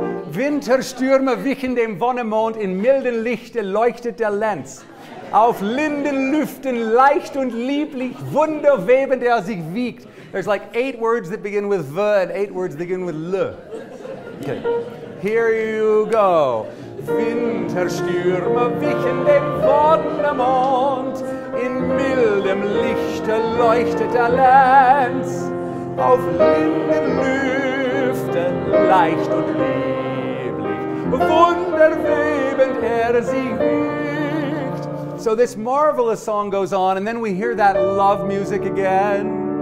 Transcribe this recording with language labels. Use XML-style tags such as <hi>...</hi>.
<de>Winterstürme wichen dem Wonnemond, in milden Lichte leuchtet der Lenz. Auf linden Lüften leicht und lieblich wunderwebend er sich wiegt.</de> <en>There's like 8 words that begin with V and 8 words that begin with L. Okay. Here you go.</en> <de>Winterstürme wichen dem Wonnemond, in mildem Lichte leuchtet der Lenz. Auf linden Lüften leicht und lieblich wunderwebend er sich wiegt.</de> <en>So this marvelous song goes on, and then we hear that love music again.</en>